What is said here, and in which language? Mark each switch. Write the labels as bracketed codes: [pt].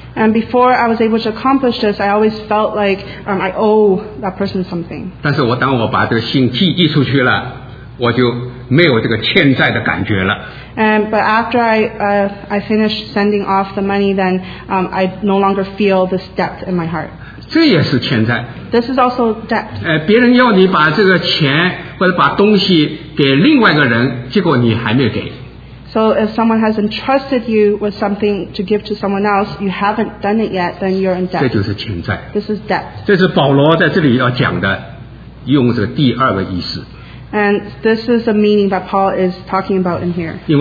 [en] And before I was able to accomplish this, I always felt like I owe that person something. [zh] 但是我当我把这个信寄出去了，我就没有这个欠债的感觉了。 [en] But after I finished sending off the money, then I no longer feel this debt in my heart. [zh] 这也是欠债。 [en] This is also debt. [zh] 别人要你把这个钱或者把东西给另外一个人，结果你还没有给。 [en] So if someone has entrusted you with something to give to someone else, you haven't done it yet, then you're in debt. [zh] 这就是欠债。 [en] This is debt. [zh] 这是保罗在这里要讲的，用这个第二个意思。 [en] And this is the meaning that Paul is talking about in here.